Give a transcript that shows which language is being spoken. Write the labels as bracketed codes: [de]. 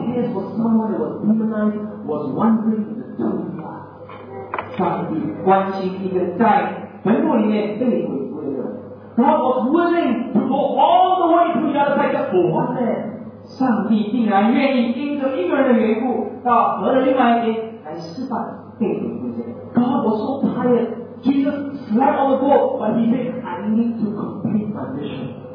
[en] cares for someone that was demonized, was wandering in the dark. [zh] 上帝关心一个在坟墓里面被鬼附的人。God [en] was willing to go all the way to the other side for one man. [zh] 上帝竟然愿意因着一个人的缘故。 [en] God was so tired. Jesus slapped on the board, but he said, I need to complete my mission.